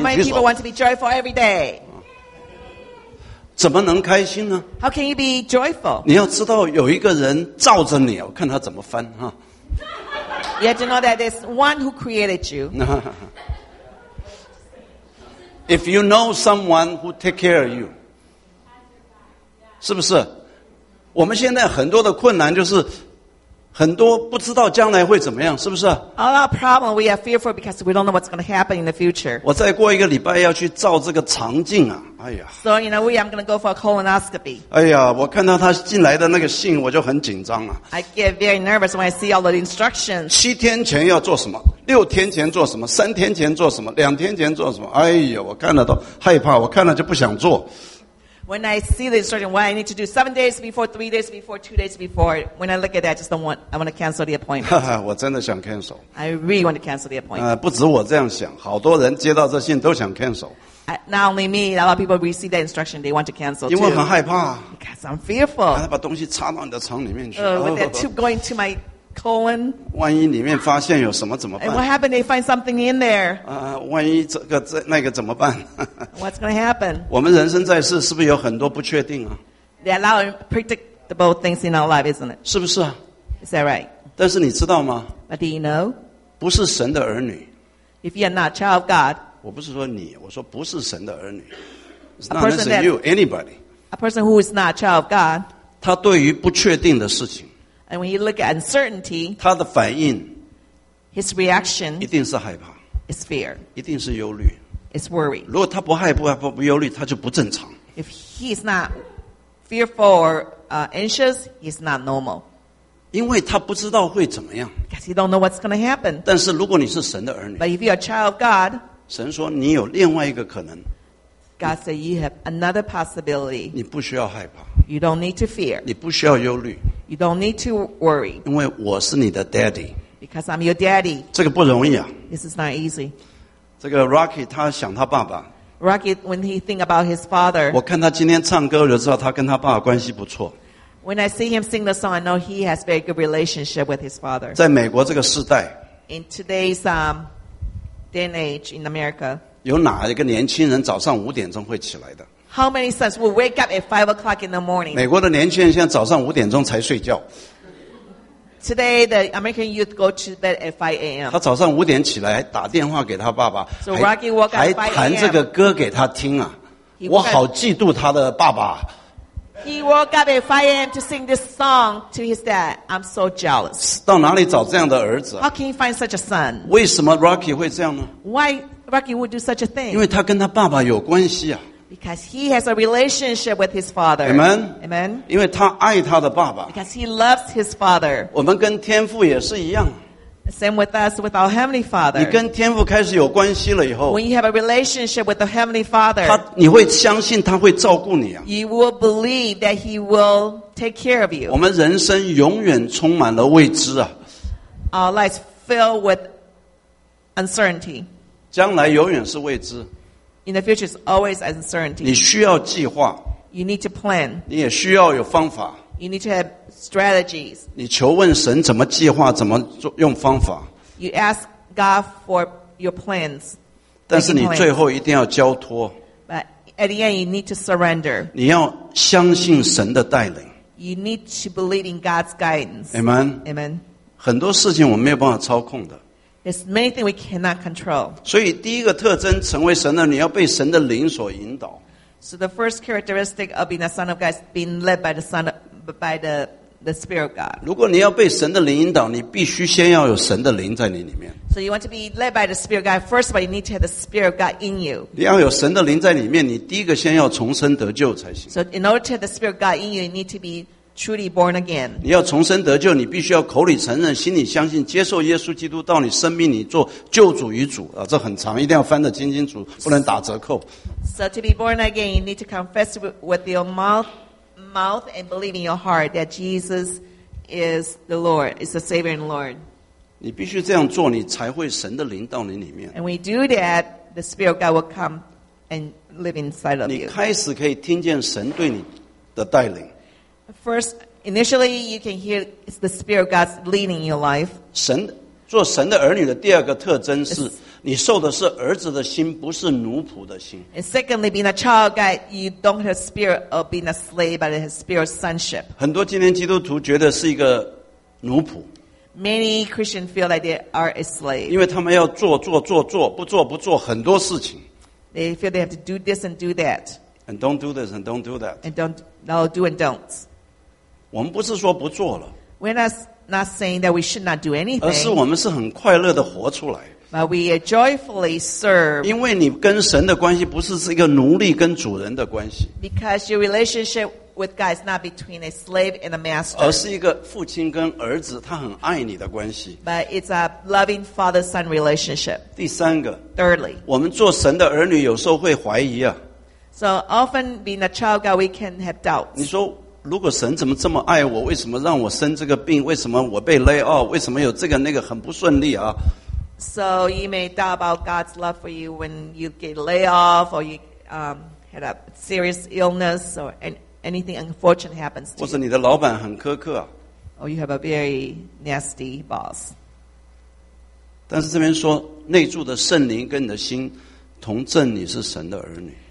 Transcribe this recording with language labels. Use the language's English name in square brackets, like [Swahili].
[English] How many people want to be joyful every day? [Chinese] 怎么能开心呢？ [English] How can you be joyful? [Chinese] 你要知道有一个人罩着你，我看他怎么翻哈。 [English] You have to know that there's one who created you. If you know someone who take care of you, [Chinese] 是不是？我们现在很多的困难就是很多不知道将来会怎么样，是不是？ [English] All our problem we are fearful because we don't know what's going to happen in the future. [Chinese] 我再过一个礼拜要去照这个肠镜啊，哎呀。 [English] So you know we are going to go for a colonoscopy. [Chinese] 哎呀，我看到他进来的那个信，我就很紧张啊。 [English] I get very nervous when I see all the instructions. [Chinese] 七天前要做什么？六天前做什么？三天前做什么？两天前做什么？哎呀，我看了都害怕，我看了就不想做。 [English] When I see the instruction, what I need to do 7 days before, 3 days before, 2 days before, when I look at that, I want to cancel the appointment. [Chinese] 我真的想 cancel. [English] I really want to cancel the appointment. [Chinese] 不止我这样想，好多人接到这信都想 cancel. [English] Not only me, a lot of people receive that instruction, they want to cancel too. [Chinese] 因为很害怕。 [English] Because I'm fearful. [Chinese] 他把东西插到你的肠里面去。 [English] With that tube going to my colon. [Chinese] 万一里面发现有什么怎么办？ [English] And what happened? They find something in there. [Chinese] 万一这个这那个怎么办？ [English] What's going to happen? [Chinese] 我们人生在世是不是有很多不确定啊？ [English] There are a lot of unpredictable things in our life, isn't it? [Chinese] 是不是啊？ [English] Is that right? [Chinese] 但是你知道吗？ [English] But do you know? [Chinese] 不是神的儿女。 [English] If you are not a child of God. [Chinese] 我不是说你，我说不是神的儿女。 [English] It's not necessarily you, anybody. A person who is not a child of God. [Chinese] 他对于不确定的事情 [English] And when you look at uncertainty, [Chinese] 他的反应 [English] his reaction [Chinese] 一定是害怕 [English] is fear, [Chinese] 一定是忧虑 [English] is worry. [Chinese] 如果他不害怕不忧虑他就不正常 [English] If he's not fearful or anxious, he's not normal. [Chinese] 因为他不知道会怎么样 [English] Because he don't know what's going to happen. [Chinese] 但是如果你是神的儿女 [English] But if you're a child of God, [Chinese] 神说你有另外一个可能 [English] God said, you have another possibility. [Chinese] 你不需要害怕。 [English] You don't need to fear. [Chinese] 你不需要忧虑。 [English] You don't need to worry. [Chinese] 因为我是你的 daddy. [English] Because I'm your daddy. [Chinese] 这个不容易啊。 [English] This is not easy. [Chinese] 这个 Rocky 他想他爸爸。 [English] Rocky, when he think about his father. [Chinese] 我看他今天唱歌就知道他跟他爸爸关系不错。 [English] When I see him sing the song, I know he has very good relationship with his father. [Chinese] 在美国这个世代。 [English] In today's day and age in America. [Chinese] 有哪一个年轻人早上五点钟会起来的 [English] How many sons will wake up at 5 o'clock in the morning? [Chinese] 美国的年轻人现在早上五点钟才睡觉 [English] Today the American youth go to bed at 5 a.m. [Chinese] 他早上五点起来打电话给他爸爸 [English] So Rocky woke up at 5 a.m. [Chinese] 还弹这个歌给他听啊我好嫉妒他的爸爸 [English] He woke up at 5 a.m. to sing this song to his dad. I'm so jealous. [Chinese] 到哪里找这样的儿子 [English] How can he find such a son? [Chinese] 为什么 Rocky 会这样呢 [English] Why? Rocky would do such a thing. [Chinese] 因为他跟他爸爸有关系啊。 [English] Because he has a relationship with his father. Amen. Amen. [Chinese] 因为他爱他的爸爸。 [English] Because he loves his father. [Chinese] 我们跟天父也是一样。 [English] Same with us, with our heavenly father. [Chinese] 你跟天父开始有关系了以后。 [English] When you have a relationship with the heavenly father. [Chinese] 你会相信他会照顾你啊。 [English] You will believe that he will take care of you. [Chinese] 我们人生永远充满了未知啊。 [English] Our lives filled with uncertainty. [Chinese] 将来永远是未知。 [English] In the future is always uncertainty. [Chinese] 你需要计划。 [English] You need to plan. [Chinese] 你也需要有方法。 [English] You need to have strategies. [Chinese] 你求问神怎么计划，怎么用方法。 [English] You ask God for your plans. [Chinese] 但是你最后一定要交托。 [English] But at the end, you need to surrender. [Chinese] 你要相信神的带领。 [English] You need to believe in God's guidance. Amen. Amen. [Chinese] 很多事情我们没有办法操控的。 [English] There's many things we cannot control. [Chinese] 所以第一个特征成为神的你要被神的灵所引导。 [English] So the first characteristic of being a son of God is being led by the son of, by the spirit of God. [Chinese] 如果你要被神的灵引导你必须先要有神的灵在你里面。 [English] So you want to be led by the spirit of God. First of all, you need to have the spirit of God in you. [Chinese] 你要有神的灵在里面你第一个先要重生得救才行。 [English] So in order to have the spirit of God in you, you need to bebe truly born again. [Chinese] 你要重生得救，你必须要口里承认，心里相信，接受耶稣基督到你生命里做救主与主啊，这很长，一定要翻得清清楚，不能打折扣。 [English] So to be born again, you need to confess with your mouth and believe in your heart that Jesus is the Lord, is the Savior and Lord. [Chinese] 你必须这样做，你才会神的灵到你里面。 [English] And we do that, the Spirit of God will come and live inside of you. [Chinese] 你开始可以听见神对你的带领。 [English] First, initially, you can hear it's the Spirit of God's leading in your life. [Chinese] 神做神的儿女的第二个特征是你受的是儿子的心，不是奴仆的心。 [English] And secondly, being a child of God, you don't have spirit of being a slave, but have spirit of sonship. [Chinese] 很多今天基督徒觉得是一个奴仆。 [English] Many Christians feel like they are a slave. [Chinese] 因为他们要做做做做，不做不做很多事情。 [English] They feel they have to do this and do that. And don't do this and don't do that. And don't no do and don'ts. [Chinese] 我们不是说不做了 [English] We're not saying that we should not do anything [Chinese] 而是我们是很快乐的活出来 [English] But we joyfully serve [Chinese] 因为你跟神的关系不是一个奴隶跟主人的关系 [English] Because your relationship with God is not between a slave and a master [Chinese] 而是一个父亲跟儿子他很爱你的关系 [English] But it's a loving father-son relationship [Chinese] 第三个 [English] Thirdly [Chinese] 我们做神的儿女有时候会怀疑啊 [English] So often being a child of God we can have doubts [Chinese] 你说如果神怎么这么爱我为什么让我生这个病为什么我被 lay off 为什么有这个那个很不顺利啊 [English] So you may doubt about God's love for you when you get lay off or you had a serious illness or anything unfortunate happens to you [Chinese] 或者你的老板很苛刻啊 [English] Or you have a very nasty boss [Chinese] 但是这边说内住的圣灵跟你的心同证你是神的儿女